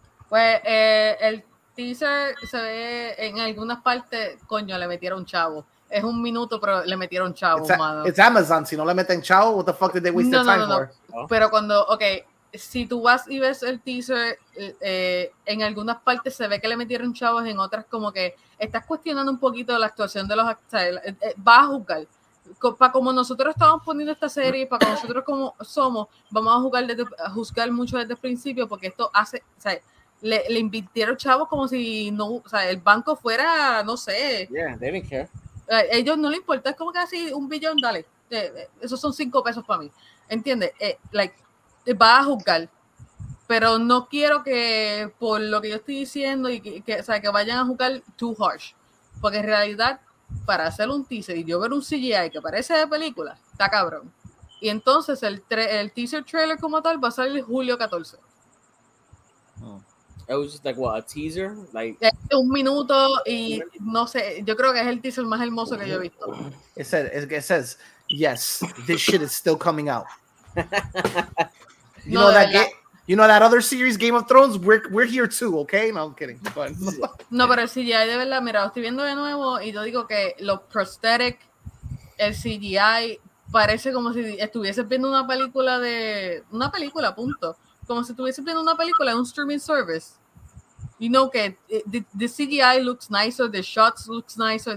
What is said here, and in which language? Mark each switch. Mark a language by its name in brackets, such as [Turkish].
[Spanish] pues el teaser se ve en algunas partes, coño, le metieron chavo. Es un minuto, pero le metieron chavo, mano. [English] It's Amazon, [Spanish] si no le meten chavo, [English] what the fuck did they waste their time for? [Spanish] No. Pero cuando, okay, si tú vas y ves el teaser, en algunas partes se ve que le metieron chavos, en otras como que estás cuestionando un poquito la actuación de los actores. Vas a juzgar. Para como nosotros estamos poniendo esta serie, para como nosotros como somos, vamos a juzgar mucho desde el principio, porque esto hace, o sea, Le invirtieron chavos como si no, o sea, el banco fuera, no sé. [English] Yeah, they didn't care. [Spanish] A ellos no le importa, es como que así un billón, dale. Esos son 5 pesos para mí. ¿Entiendes? Va a juzgar. Pero no quiero que por lo que yo estoy diciendo y que vayan a juzgar [English] too harsh. [Spanish] Porque en realidad, para hacer un teaser y yo ver un CGI que parece de película, está cabrón. Y entonces el teaser trailer como tal va a salir julio 14. [English] Oh. It was just like what, a teaser, like [Spanish] un minuto, y no sé, yo creo que es el teaser más hermoso que yo he visto. [English] It says yes, this shit is still coming out. You know that you know that other series, Game of Thrones, we're here too, okay? No, I'm kidding. [Spanish] No, pero el CGI de verdad, mira, lo estoy viendo de nuevo y yo digo que los prosthetic, el CGI parece como si estuvieses viendo una película, punto. Como si estuviese viendo una película en un streaming service. [English] You know, que the CGI looks nicer, the shots looks nicer.